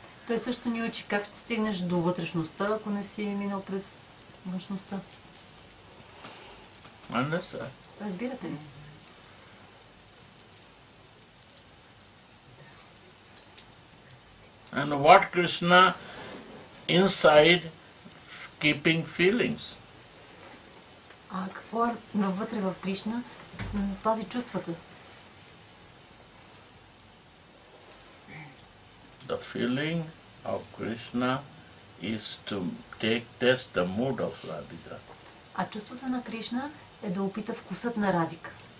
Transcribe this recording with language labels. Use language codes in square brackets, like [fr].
[bg] Той също ни учи как ще стигнеш до вътрешността, ако не си минал през външността. [en] Understand? [bg] Разбирате ли? [en] And what Krishna inside keeping feelings? [bg] А какво е навътре в Кришна, пази чувствата? [en] The feeling of Krishna is to take test the mood of Radhika. [bg] А чувството на Кришна е да опита вкусът на Радика.